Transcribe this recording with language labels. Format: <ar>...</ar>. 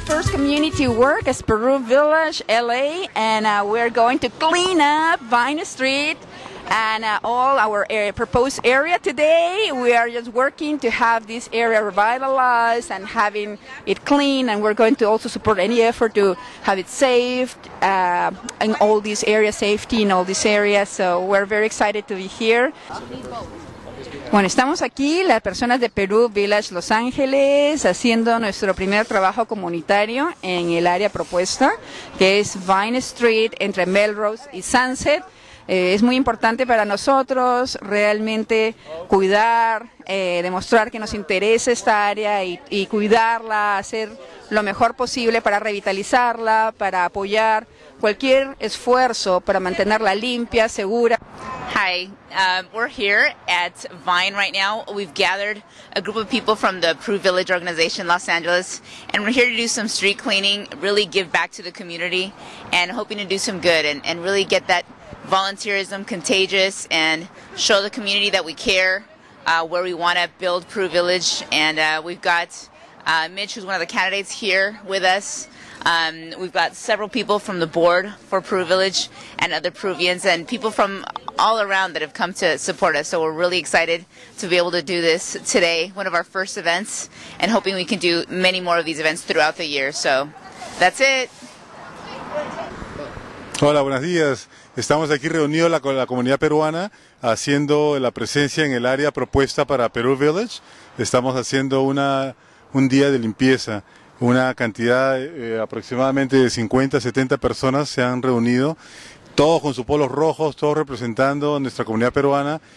<en>community work at Sparrow Village, LA, and we're going to clean up Vine Street and all our proposed area today. We are just working to have this area revitalized and having it clean, and we're going to also support any effort to have it saved and all these areas, safety in all these areas. So we're very excited to be here.</en> <es>Bueno, estamos aquí, las personas de Peru Village Los Ángeles, haciendo nuestro primer trabajo comunitario en el área propuesta, que es Vine Street entre Melrose y Sunset. Es muy importante para nosotros realmente cuidar, demostrar que nos interesa esta área y cuidarla, hacer lo mejor posible para revitalizarla, para apoyar cualquier esfuerzo para mantenerla limpia, segura.</es> <en>Hi, we're here at Vine right now. We've gathered a group of people from the Peru Village Organization Los Angeles, and we're here to do some street cleaning, really give back to the community, and hoping to do some good and really get that volunteerism contagious and show the community that we care, where we want to build Peru Village. And we've got Mitch, who's one of the candidates, here with us. We've got several people from the board for Peru Village and other Peruvians and people from all around that have come to support us. So we're really excited to be able to do this today, one of our first events, and hoping we can do many more of these events throughout the year. So that's it.</en> <es>Hola, buenos días. Estamos aquí reunidos con la comunidad peruana haciendo la presencia en el área propuesta para Peru Village. Estamos haciendo un día de limpieza. Una cantidad aproximadamente de 50, 70 personas se han reunido, todos con sus polos rojos, todos representando nuestra comunidad peruana.</es>